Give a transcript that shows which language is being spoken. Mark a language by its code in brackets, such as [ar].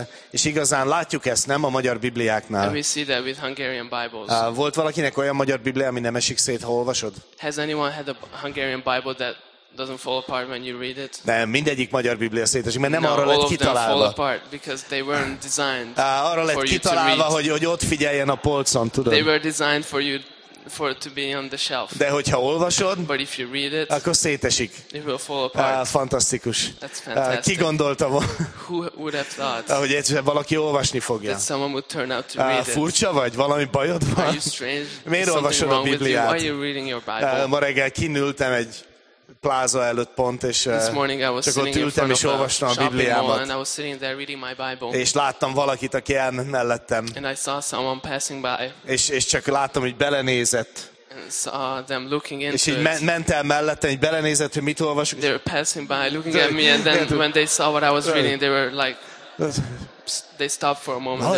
[hu] És igazán látjuk ezt, nem a magyar bibliáknál. [en] And we see that with Hungarian Bibles. [hu] Volt valakinek olyan magyar biblia, ami nem esik szét, ha olvasod? [en] Has anyone had a Hungarian Bible that doesn't fall apart when you read it? [hu] Nem, mindegyik magyar biblia szétesik, mert nem [en] no, [hu] arra lett kitalálva. [en] All of them fall apart because they weren't designed [hu] arra lett [en] for [hu] kitalálva, [en] you to [hu] hogy ott figyeljen a polcon, tudod. [en] They were designed for you for it to be on the shelf. [hu] De hogyha olvasod, [en] but if you read it, [hu] akkor szétesik. [en] It will fall apart. [hu] Fantasztikus. [en] That's fantastic. [hu] Ki gondolta volna? [en] Who would have thought? [hu] Hogy egyszer valaki olvasni fogja. [en] That someone would turn out to read it. [hu] Furcsa vagy? Valami bajod van? [en] Are you strange? [hu] Miért olvasod a Bibliát? [en] Why are you reading your Bible? [hu] Ma reggel kinültem egy pláza előtt pont, és csak ott ültem és olvastam a Bibliámat. [en] And I was sitting there reading my Bible. [hu] És láttam valakit, aki elment mellettem. [en] And I saw someone passing by. [hu] És csak láttam, hogy belenézett. [en] And saw them looking into [hu] és így ment el mellettem, hogy belenézett, hogy mit olvasok. [en] They were passing by, looking at me, and then when they saw what I was reading, they were like, they stopped for a moment.